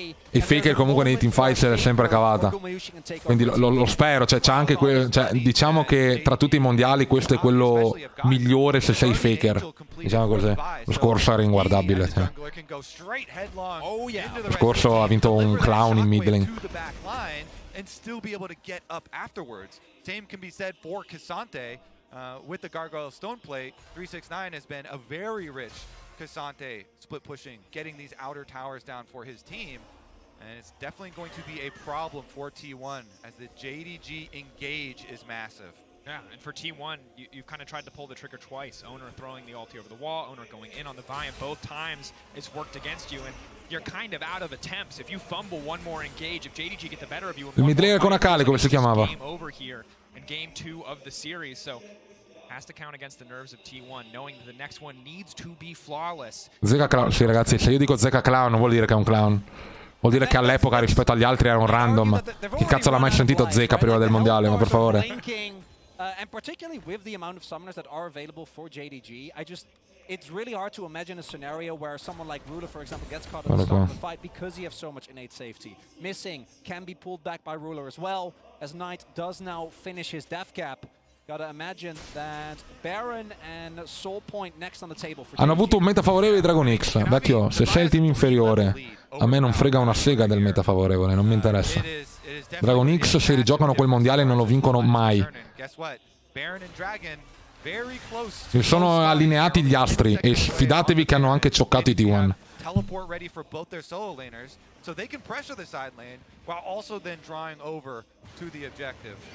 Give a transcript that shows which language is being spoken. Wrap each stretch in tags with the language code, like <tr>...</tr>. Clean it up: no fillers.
<it>E Faker comunque nei team fight se l'è sempre cavata, quindi lo spero, cioè, c'è anche cioè, diciamo che tra tutti i mondiali questo è quello migliore se sei Faker, diciamo così. Lo scorso era inguardabile, cioè. Lo scorso ha vinto un clown in mid lane</it> <en>and still be able to get up afterwards. Same can be said for Cassante with the Gargoyle Stone Plate. 369 has been a very rich Cassante split pushing, getting these outer towers down for his team. And it's definitely going to be a problem for T1 as the JDG engage is massive. Yeah, and for T1, you've kind of tried to pull the trigger twice. Owner throwing the ulti over the wall, owner going in on the Viant. Both times it's worked against you. And you're kind of out of attempts. If you fumble one more engage, if JDG get the better of you,</en> <it>il midlaner con Akali, come si chiamava,</it> <en>game over here in game two of the series, so has to count against the nerves of T1, knowing that the next one needs to be flawless.</en> <it>Zeca Clown, sì ragazzi, se io dico Zeca Clown non vuol dire che è un clown, vuol dire che all'epoca rispetto agli altri era un random. Chi cazzo l'ha mai sentito Zeca prima del mondiale? Ma per favore.</it> <en>And particularly with the amount of summoners that are available for JDG, I just it's really hard to imagine a scenario where someone like Ruler, for example, gets caught at the start of the fight because he has so much innate safety. Missing can be pulled back by Ruler as well, as Knight does now finish his death cap. Gotta imagine that Baron and Soul Point next on the table for</en> <it>hanno avuto un meta favorevole di Dragon X. Vecchio, se sei il team inferiore, a me non frega una sega del meta favorevole, non mi interessa. Dragon X, se rigiocano quel mondiale, non lo vincono mai. Si sono allineati gli astri e fidatevi che hanno anche cioccato i T1.</it> <en>Teleport ready for both their solo laners so they can pressure the side lane while also then drawing over to the objective.</en>